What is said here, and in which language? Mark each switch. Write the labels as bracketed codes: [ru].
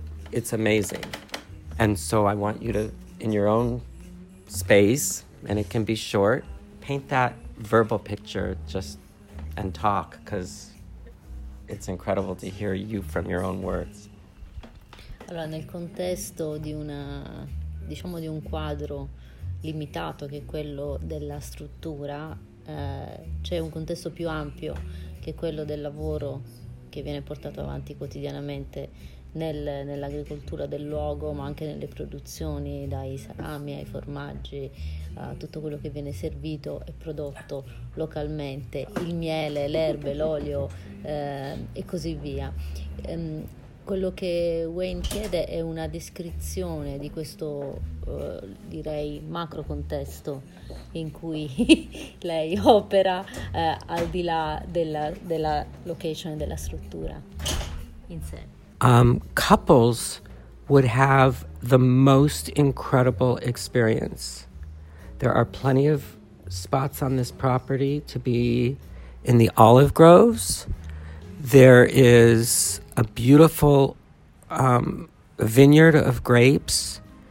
[en] It's amazing. And so I want you to, in your own space, and it can be short, paint that verbal picture just and talk, because it's incredible to hear you from your own words. [it] Allora, nel contesto di una, diciamo, di un quadro limitato che è quello della struttura, c'è un contesto più ampio che è quello del lavoro che viene portato avanti quotidianamente nell'agricoltura del luogo, ma anche nelle produzioni, dai salami ai formaggi, tutto quello che viene servito e prodotto localmente, il miele, l'erbe, l'olio e così via. Quello che Wayne chiede è una descrizione di questo, direi, macro contesto in cui lei opera, al di là della location, della struttura in sé. [en] Couples would have the most incredible experience. There are plenty of spots on this property to be in the olive groves. There is a beautiful vineyard of grapes.